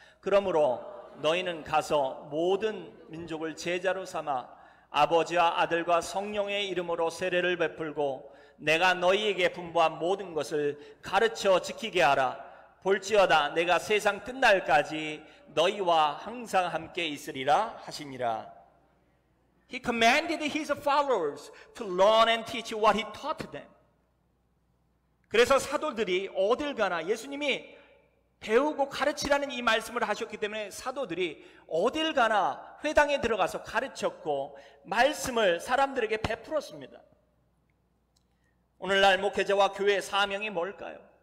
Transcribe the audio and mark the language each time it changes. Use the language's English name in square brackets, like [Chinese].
[Korean] 그러므로 너희는 가서 모든 민족을 제자로 삼아 아버지와 아들과 성령의 이름으로 세례를 베풀고 내가 너희에게 분부한 모든 것을 가르쳐 지키게 하라. 볼지어다 내가 세상 끝날까지 너희와 항상 함께 있으리라 하시니라. [English] He commanded his followers to learn and teach what he taught them. [Korean] 그래서 사도들이 어딜 가나, 예수님이 배우고 가르치라는 이 말씀을 하셨기 때문에 사도들이 어딜 가나 회당에 들어가서 가르쳤고 말씀을 사람들에게 베풀었습니다. 오늘날 목회자와 교회의 사명이 뭘까요?